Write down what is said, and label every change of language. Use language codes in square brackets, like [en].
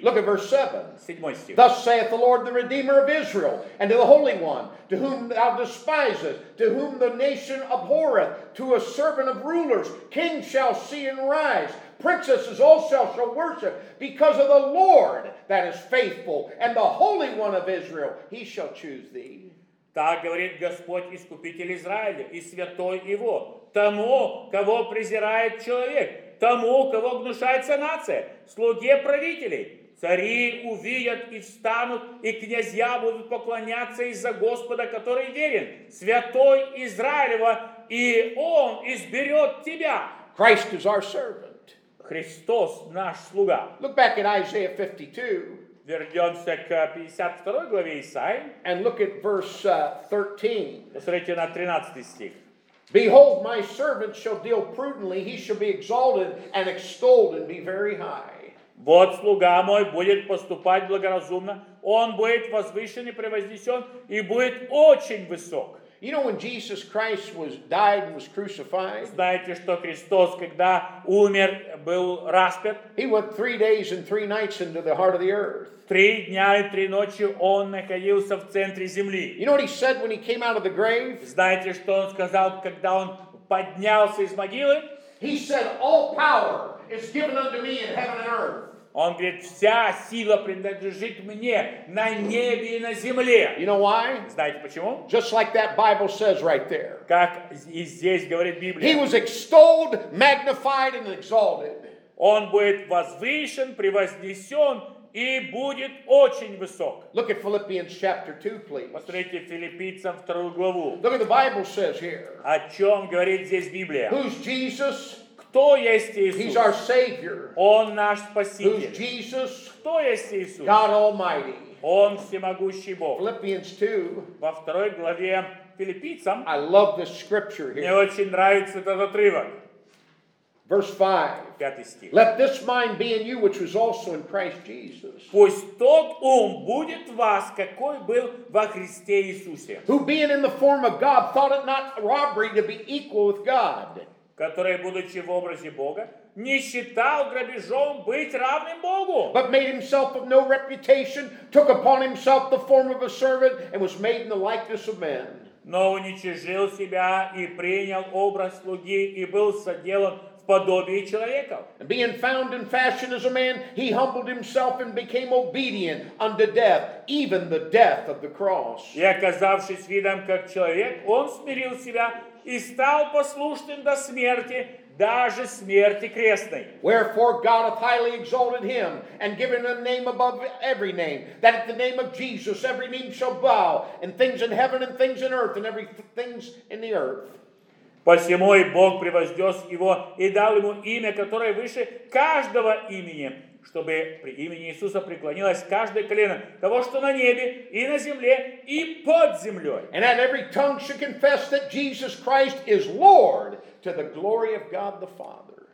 [en] Look at verse 7. [ru] 7 стих. [en] Thus saith the Lord, the Redeemer of Israel, and to the Holy One, to whom thou despisest, to whom the nation abhorreth, to a servant of rulers, kings shall see and rise, princesses also shall worship, because of the Lord that is faithful, and the Holy One of Israel, he shall choose thee. [ru] Так говорит Господь, Искупитель Израиля, и святой его, тому, кого презирает человек, тому, кого гнушается нация, слуге правителей. Цари увидят и встанут, и князья будут поклоняться из-за Господа, который верен, святой Израилева, и он изберет тебя. [en] Christ is our servant. [ru] Христос наш слуга. [en] Look back at Isaiah 52. [ru] Вернемся к 52 главе Исаии. [en] And look at verse 13. [ru] Посмотрите на 13 стих. [en] Behold, my servant shall deal prudently, he shall be exalted and extolled and be very high. [ru] Вот слуга мой будет поступать благоразумно, он будет возвышен и превознесен, и будет очень высок. [en] You know when Jesus Christ was died and was crucified? [ru] Знаете, что Христос, когда умер, был распят? [en] He went 3 days and 3 nights into the heart of the earth. [ru] 3 дня и 3 ночи он находился в центре земли. [en] You know what he said when he came out of the grave? [ru] Знаете, что он сказал, когда он поднялся из могилы? [en] He said, "All power is given unto me in heaven and earth." [ru] Он говорит, вся сила принадлежит мне на небе и на земле. [en] You know why? [ru] Знаете почему? [en] Just like that Bible says right there. [ru] Как и здесь говорит Библия. [en] He was extolled, magnified, and exalted. [ru] Он будет возвышен, превознесен и будет очень высок. [en] Look at Philippians chapter 2, please. [ru] Посмотрите Филиппийцам 2 главу. [en] Look at the Bible says here. [ru] О чем говорит здесь Библия? [en] Who's Jesus? [ru] Кто есть Иисус? [en] He's our Savior. [ru] Он наш Спаситель. [en] Who's Jesus? [ru] Кто есть Иисус? [en] God Almighty. [ru] Он всемогущий Бог. [en] Philippians 2. [ru] Во второй главе Филиппийцам. [en] I love this scripture here. [ru] Мне очень нравится этот отрывок. [en] Verse 5. [ru] Пятый стих. [en] Let this mind be in you, which was also in Christ Jesus. [ru] Пусть тот ум будет в вас, какой был во Христе Иисусе. [en] Who being in the form of God, thought it not robbery to be equal with God. [ru] Который, будучи в образе Бога, не считал грабежом быть равным Богу. [en] But made himself of no reputation, took upon himself the form of a servant, and was made in the likeness of men. [ru] Но уничижил себя и принял образ слуги, и был соделан в подобии человека. [en] And being found in fashion as a man, he humbled himself and became obedient unto death, even the death of the cross. [ru] И оказавшись видом как человек, он смирил себя, и стал послушным до смерти, даже смерти крестной. [en] Wherefore God hath highly exalted him, and given him a name above every name, that at the name of Jesus every knee shall bow, and things in heaven, and things in earth, and every things in the earth. [ru] Посему и Бог превознес его, и дал ему имя, которое выше каждого имени, чтобы при имени Иисуса преклонилось каждое колено того, что на небе, и на земле, и под землей. [en] And that every tongue should confess that Jesus Christ is Lord to the glory of God the Father.